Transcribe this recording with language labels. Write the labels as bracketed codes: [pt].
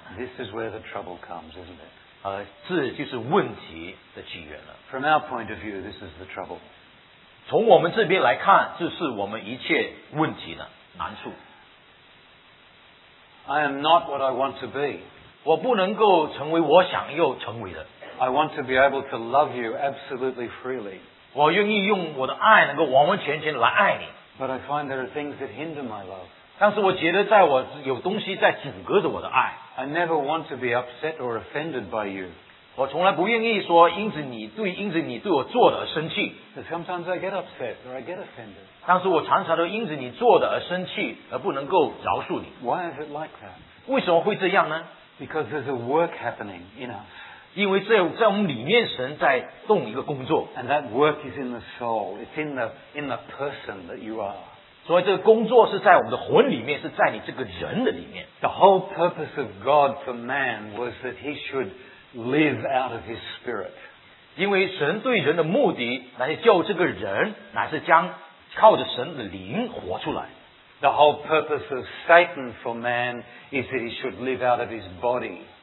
[en] 呢？This is where the trouble comes, isn't it? [zh] 这就是问题的起源了。 [en] From our point of view, this is the trouble. [zh] 从我们这边来看，这是我们一切问题的难处。 [en] I am not what I want to be. [zh] 我不能够成为我想要成为的。 [en] I want to be able to love you absolutely freely. [zh] 我愿意用我的爱能够完完全全来爱你。 [en] But I find there are things that hinder my love. [zh] 但是我觉得在我有东西在阻隔着我的爱。 [en] I never want to be upset or offended by you. [zh] 我从来不愿意说因着你对我做的而生气。 [en] But sometimes I get upset or I get offended. [zh] 但是我常常都因着你做的而生气而不能够饶恕你。 [en] Why is it like that? [zh] 为什么会这样呢? [en] Because there's a work happening in us. [zh] 因为在我们里面神在动一个工作。 [en] And that work is in the soul. It's in the person that you are. [zh] 所以这个工作是在我们的魂里面，是在你这个人的里面。 [en] The whole purpose of God for man was that he should live out of his spirit. [zh] 因为神对人的目的，乃是叫这个人，乃是将靠着神的灵活出来。 [en] The whole purpose of Satan for man is that he should live out of his body.